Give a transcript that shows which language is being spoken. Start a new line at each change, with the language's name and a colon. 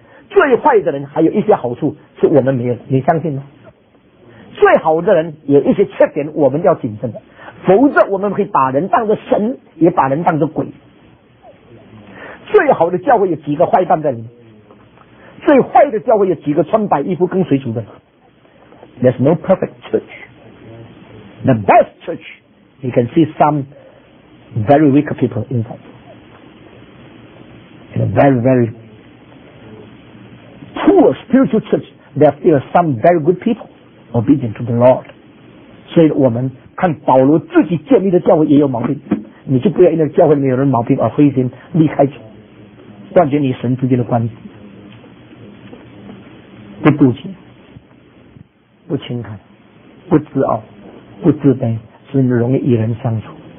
Chinese: 最坏的人还有一些好处是我们没有，你相信吗？最好的人有一些缺点，我们要谨慎的。否则我们会把人当作神，也把人当作鬼。最好的教会有几个坏蛋在里面，最坏的教会有几个穿白衣服跟随主的。
English: There's no perfect church. The best church, you can see some very weak people inside. In a very very poor spiritual church, there are still some very good people obedient to the Lord.
Chinese: 所以我们看保罗自己建立的教会也有毛病，你就不要因为教会里面有人毛病而灰心离开，断绝你神之间的关系，不妒忌，不轻看，不自傲，不自卑，是你容易与人相处。